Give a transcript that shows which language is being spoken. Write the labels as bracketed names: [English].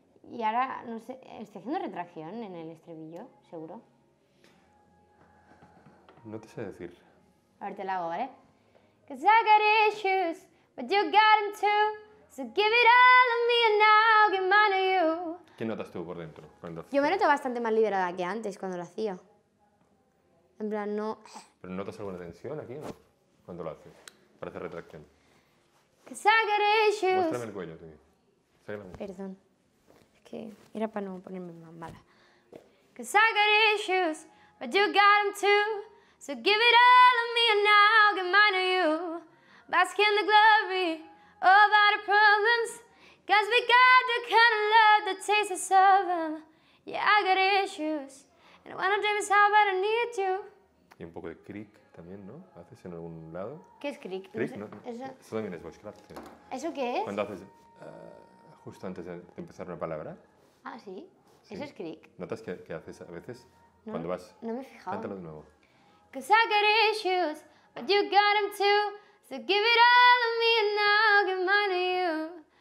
[Spanish] Y ahora, no sé, estoy haciendo retracción en el estribillo, seguro. No te sé decir. A ver, te la hago, ¿vale? [English] Cause I got issues, but you got them too. So give it all of me and I'll give mine to you. [Spanish] ¿Qué notas tú por dentro? Yo me noto bastante más liberada que antes cuando lo hacía. En plan, no. ¿Pero notas alguna tensión aquí, no? Cuando lo haces. Parece retracción. [English] Cause I got issues. [Spanish] Muéstrame el cuello, tío. Sácalame. Perdón. Es que era para no ponerme más mala. [English] Cause I got issues, but you got them too. So give it all of me and I'll give mine to you. Bask in the glory of our problems. Cause we got the kind of love that takes us over. Yeah, I got issues. And one of them is how bad I need you. [Spanish] Y un poco de creak también, ¿no? ¿Haces en algún lado? ¿Qué es creak? Creak, ¿no? Eso también es voicecraft. Sí. ¿Eso qué es? Cuando haces justo antes de empezar una palabra. Ah, ¿sí? Eso es creak. ¿Notas que haces a veces cuando vas? No me he fijado. Cántalo de nuevo. [English] Cause I got issues, but you got them too. So give it all of me and I'll give mine to you.